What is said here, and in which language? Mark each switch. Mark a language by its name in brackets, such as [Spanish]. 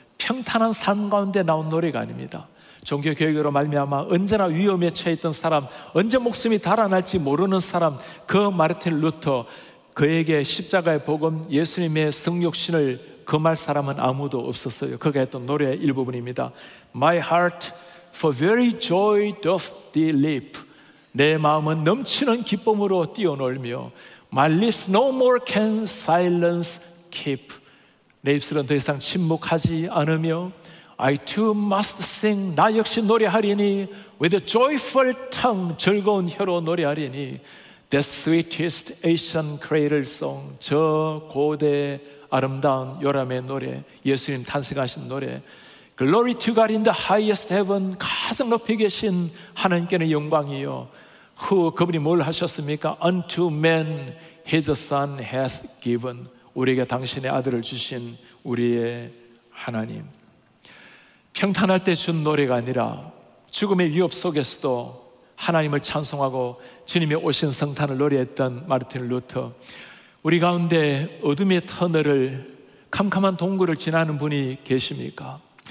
[Korean] 평탄한 삶 가운데 나온 노래가 아닙니다. 종교 교육으로 말미암아 언제나 위험에 처해 있던 사람, 언제 목숨이 달아날지 모르는 사람, 그 마르틴 루터, 그에게 십자가의 복음, 예수님의 성육신을 금할 사람은 아무도 없었어요. 그가 했던 노래의 일부분입니다. [English] My heart for very joy doth thee leap. [Korean] 내 마음은 넘치는 기쁨으로 뛰어놀며, [English] My lips no more can silence keep. [Korean] 내 입술은 더 이상 침묵하지 않으며, [English] I too must sing. [Korean] 나 역시 노래하리니, [English] With a joyful tongue. [Korean] 즐거운 혀로 노래하리니, [English] The sweetest Asian cradle song. [Korean] 저 고대 아름다운 요람의 노래, 예수님 탄생하신 노래. [English] Glory to God in the highest heaven. [Korean] 가장 높이 계신 하나님께는 영광이요. [English] Who, [Korean] 그분이 뭘 하셨습니까? [English] Unto man his son hath given. [Korean] 우리에게 당신의 아들을 주신 우리의 하나님. 평탄할 때 준 노래가 아니라 죽음의 위협 속에서도 하나님을 찬송하고 주님의 오신 성탄을 노래했던 마르틴 루터. 우리 가운데 어둠의 터널을, 캄캄한 동굴을 지나는 분이 계십니까?